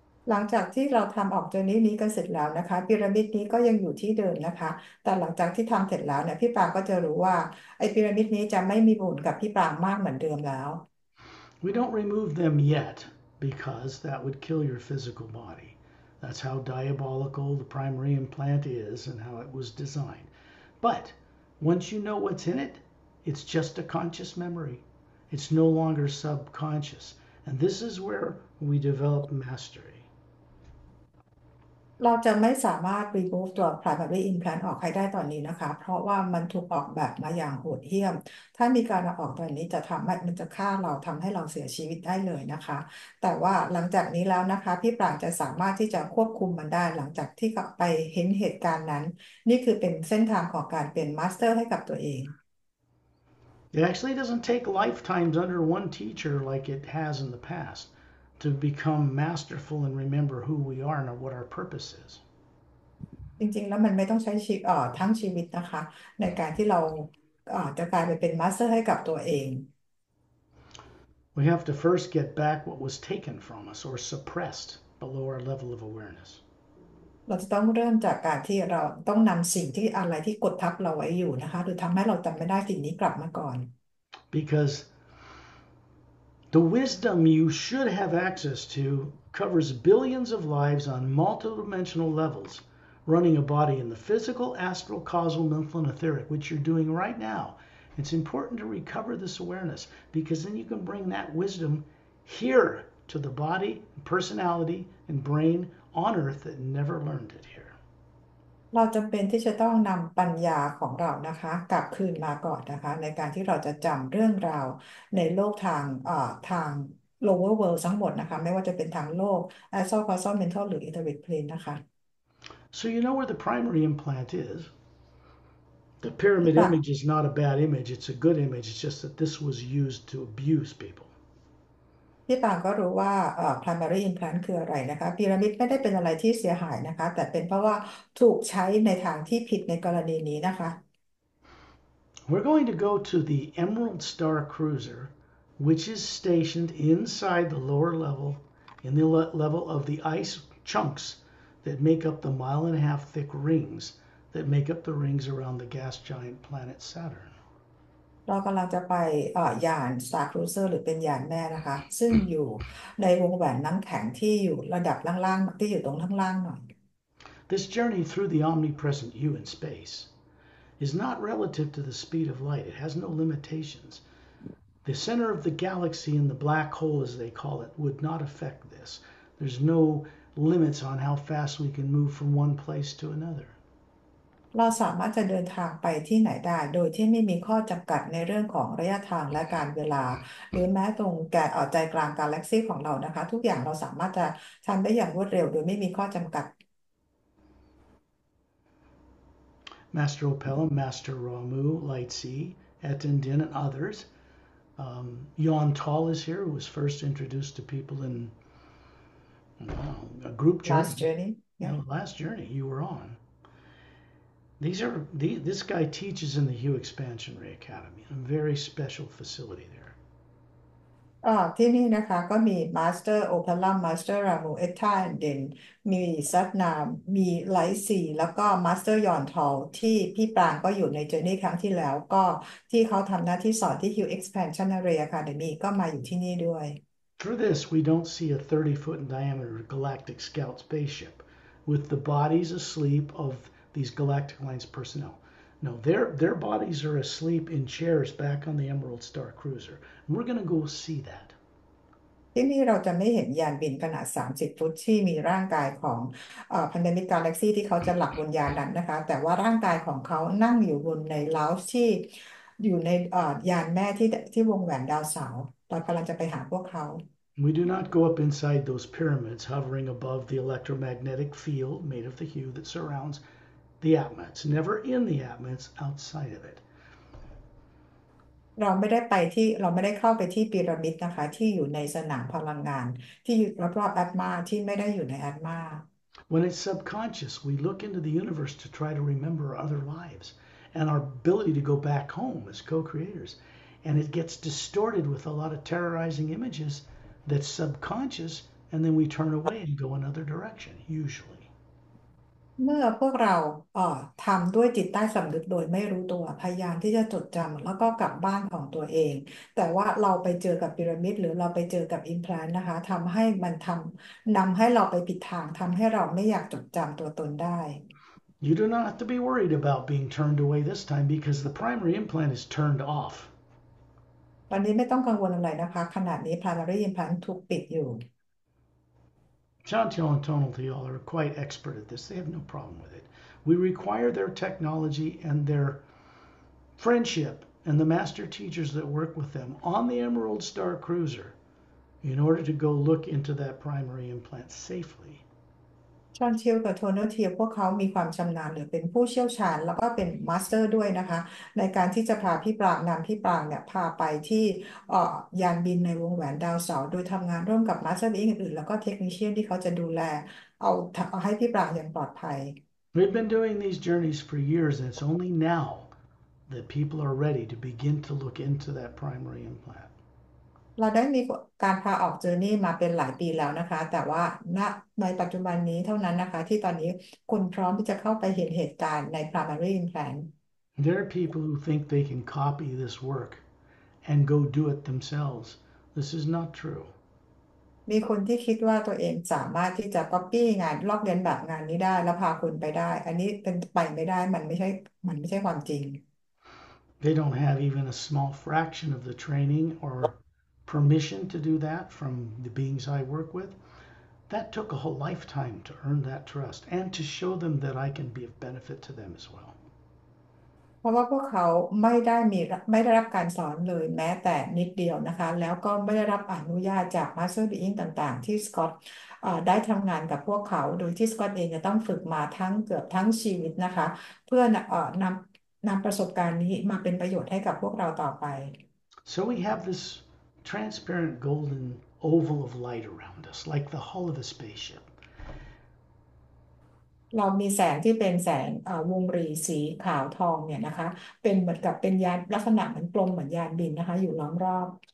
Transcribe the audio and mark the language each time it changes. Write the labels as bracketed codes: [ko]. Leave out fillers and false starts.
[th] หลังจากที่เราทำออกเจอร์นี่นี้กันเสร็จแล้วนะคะพีระมิดนี้ก็ยังอยู่ที่เดิมนะคะแต่หลังจากที่ทำเสร็จแล้วเนี่ยพี่ปราก็จะรู้ว่าไอ้พีระมิดนี้จะไม่มีผลกับพี่ปรามากเหมือนเดิมแล้ว [en] We don't remove them yet because that would kill your physical body. That's how diabolical the primary implant is and how it was designed. But once you know what's in it, it's just a conscious memory. It's no longer subconscious. And this is where we develop mastery. [th] เราจะไม่สามารถ remove ตัว primary implant ออกให้ได้ตอนนี้นะคะเพราะว่ามันถูกออกแบบมาอย่างโหดเหี้ยมถ้ามีการออกตอนนี้จะทำให้มันจะฆ่าเราทำให้เราเสียชีวิตได้เลยนะคะแต่ว่าหลังจากนี้แล้วนะคะพี่ปรางจะสามารถที่จะควบคุมมันได้หลังจากที่ไปเห็นเหตุการณ์นั้นนี่คือเป็นเส้นทางของการเป็น master ให้กับตัวเอง [en] It actually doesn't take lifetimes under one teacher like it has in the past to become masterful and remember who we are and what our purpose is. [th] จริงๆแล้วมันไม่ต้องใช้ชีวิตทั้งชีวิตนะคะในการที่เราจะกลายไปเป็นมาสเตอร์ให้กับตัวเอง [en] We have to first get back what was taken from us or suppressed below our level of awareness. [th] เราจะต้องเริ่มจากการที่เราต้องนำสิ่งที่อะไรที่กดทับเราไว้อยู่นะคะหรือทำให้เราจำไม่ได้สิ่งนี้กลับมาก่อน [en] Because the wisdom you should have access to covers billions of lives on multidimensional levels, running a body in the physical, astral, causal, mental, and etheric, which you're doing right now. It's important to recover this awareness because then you can bring that wisdom here to the body, personality, and brain on earth that never learned it here. [th] เราจำเป็นที่จะต้องนำปัญญาของเรานะคะกลับคืนมาก่อนนะคะในการที่เราจะจำเรื่องราวในโลกทาง lower world ทั้งหมดนะคะไม่ว่าจะเป็นทางโลก astral causal mental หรือ etheric plane นะคะ [en] So you know where the primary implant is. The pyramid image is not a bad image. It's a good image. It's just that this was used to abuse people. [th] พี่ปางก็รู้ว่า primary implant คืออะไรนะคะพีระมิดไม่ได้เป็นอะไรที่เสียหายนะคะแต่เป็นเพราะว่าถูกใช้ในทางที่ผิดในกรณีนี้นะคะ [en] We're going to go to the Emerald Star Cruiser, which is stationed inside the lower level, in the level of the ice chunks that make up the mile and a half thick rings that make up the rings around the gas giant planet Saturn. [th] เรากำลังจะไปยาน Star Cruiser หรือเป็นยานแม่นะคะซึ่งอยู่ในวงแหวนน้ำแข็งที่อยู่ระดับล่างๆที่อยู่ตรงข้างล่างหน่อย [en] This journey through the omnipresent you in space is not relative to the speed of light. It has no limitations. The center of the galaxy and the black hole, as they call it, would not affect this. There's no limits on how fast we can move from one place to another. [th] เราสามารถจะเดินทางไปที่ไหนได้โดยที่ไม่มีข้อจำกัดในเรื่องของระยะทางและการเวลาหรือแม้ตรงแกะใจกลางกาแล็กซีของเรานะคะทุกอย่างเราสามารถจะทำได้อย่างรวดเร็วโดยไม่มีข้อจำกัด [en] Master Opelam, Master Ramu, Lightsea, Etten Din and others. Yon Tal is here, who was first introduced to people in a group journey. Last journey. Yeah. No, last journey you were on. This guy teaches in the Hue Expansion Ray Academy, a very special facility there. [th] ที่นี่นะคะก็มี Master Opelam, Master Ramu, Etan Din, มีซัดนามมีไลซีแล้วก็ Master Yon Tal ที่พี่ปรางก็อยู่ในเจอร์นี่ครั้งที่แล้วก็ที่เขาทำหน้าที่สอนที่ Hue Expansion Ray Academy ก็มาอยู่ที่นี่ด้วย [en] Through this, we don't see a 30-foot in diameter galactic scout spaceship with the bodies asleep of these Galactic Alliance personnel. No, their bodies are asleep in chairs back on the Emerald Star Cruiser. And we're going to go see that. [th] ที่นี่เราจะไม่เห็นยานบินขนาด30ฟุตที่มีร่างกายของพันธมิตรกาแล็กซี่ที่เขาจะหลับบนยานนั้นนะคะแต่ว่าร่างกายของเขานั่งอยู่บนในลาวที่อยู่ในยานแม่ที่วงแหวนดาวเสาร์เรากำลังจะไปหาพวกเขา [en] We do not go up inside those pyramids hovering above the electromagnetic field made of the hue that surrounds the Atmats. Never in the Atmats, outside of it. [th] เราไม่ได้ไปที่เราไม่ได้เข้าไปที่พีระมิดนะคะที่อยู่ในสนามพลังงานที่รอบรอบแอตมาที่ไม่ได้อยู่ในแอตมา [en] When it's subconscious, we look into the universe to try to remember our other lives and our ability to go back home as co-creators. And it gets distorted with a lot of terrorizing images that's subconscious, and then we turn away and go another direction, usually. [th] เมื่อพวกเราทำด้วยจิตใต้สำนึกโดยไม่รู้ตัวพยายามที่จะจดจำแล้วก็กลับบ้านของตัวเองแต่ว่าเราไปเจอกับพีระมิดหรือเราไปเจอกับอิมแพลนต์นะคะทำให้มันทำนำให้เราไปผิดทางทำให้เราไม่อยากจดจำตัวตนได้ [en] You do not have to be worried about being turned away this time because the primary implant is turned off. [th] ตอนนี้ไม่ต้องกังวลอะไรนะคะขนาดนี้ primary implant ถูกปิดอยู่ [en] Chantel and Tonaltuyal are quite expert at this. They have no problem with it. We require their technology and their friendship and the master teachers that work with them on the Emerald Star Cruiser in order to go look into that primary implant safely. [th] ชอนเชลกับโทนเทียพวกเขามีความชำนาญหรือเป็นผู้เชี่ยวชาญแล้วก็เป็นมาสเตอร์ด้วยนะคะในการที่จะพาพี่ปรางนำพี่ปรางเนี่ยพาไปที่ยานบินในวงแหวนดาวเสาร์โดยทำงานร่วมกับมาสเตอร์อื่นๆแล้วก็เทคนิคเชียนที่เขาจะดูแลเอาให้พี่ปรางอย่างปลอดภัย [en] We've been doing these journeys for years, and it's only now that people are ready to begin to look into that primary implant. [th] เราได้มีการพาออกเจอร์นี่มาเป็นหลายปีแล้วนะคะแต่ว่าณในปัจจุบันนี้เท่านั้นนะคะที่ตอนนี้คุณพร้อมที่จะเข้าไปเห็นเหตุการณ์ใน Primary Implant [en] There are people who think they can copy this work and go do it themselves. This is not true. [th] มีคนที่คิดว่าตัวเองสามารถที่จะ copy งานลอกเลียนแบบงานนี้ได้แล้วพาคุณไปได้อันนี้เป็นไปไม่ได้มันไม่ใช่ความจริง [en] They don't have even a small fraction of the training or permission to do that from the beings I work with. That took a whole lifetime to earn that trust and to show them that I can be of benefit to them as well. [th] เพราะว่าพวกเขาไม่ได้รับการสอนเลยแม้แต่นิดเดียวนะคะแล้วก็ไม่ได้รับอนุญาตจากมาสเตอร์บีอิงต่างๆที่สกอตได้ทำงานกับพวกเขาโดยที่สกอตเองจะต้องฝึกมาทั้งเกือบทั้งชีวิตนะคะเพื่อนำประสบการณ์นี้มาเป็นประโยชน์ให้กับพวกเราต่อไป [en] So we have this transparent golden oval of light around us, like the hull of a spaceship. [th] เรามีแสงที่เป็นแสงวงรีสีขาวทองเนี่ยนะคะเป็นเหมือนกับเป็นยานลักษณะเหมือนกลมเหมือนยานบินนะคะอยู่ล้อมรอบ